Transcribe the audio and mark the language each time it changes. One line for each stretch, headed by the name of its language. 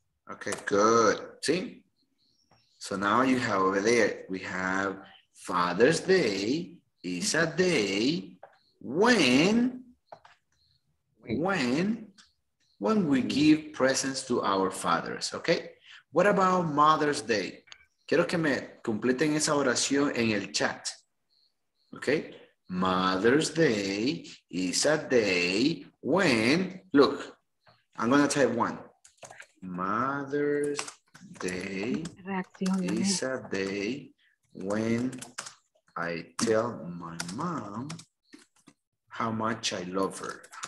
English: Okay, good. See? So now you have over there, we have Father's Day is a day when we give presents to our fathers, okay? What about Mother's Day?
Spanish: Quiero que me completen esa oración en el chat.
English: Okay. Mother's Day is a day when, look, I'm going to type one. Mother's Day is a day when I tell my mom how much I love her.